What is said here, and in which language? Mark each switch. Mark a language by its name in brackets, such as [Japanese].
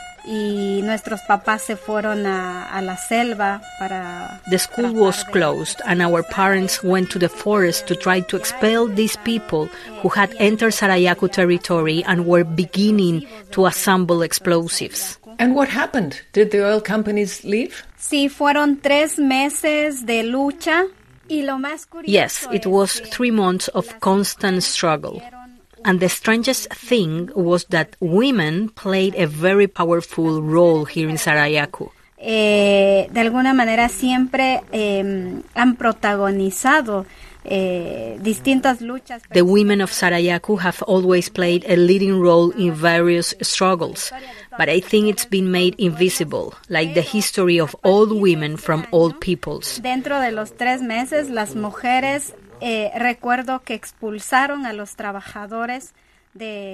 [Spanish] Y nuestros papás se fueron a la selva para... [English] The school was closed and our parents went to the forest to try to expel these people who had entered Sarayaku territory and were beginning to assemble explosives. And what happened? Did the oil companies leave? [Spanish] Sí, fueron 3 meses de lucha y lo más curioso... [English] Yes, it was 3 months of constant struggle. And the strangest thing was that women played a very powerful role here in Sarayaku. [Spanish] De alguna manera siempre han protagonizado distintas luchas. [English] The women of Sarayaku have always played a leading role in various struggles, but I think it's been made invisible, like the history of all women from all peoples. [Spanish] Dentro de los 3 meses, las mujeres... recuerdo que expulsaron a los trabajadores de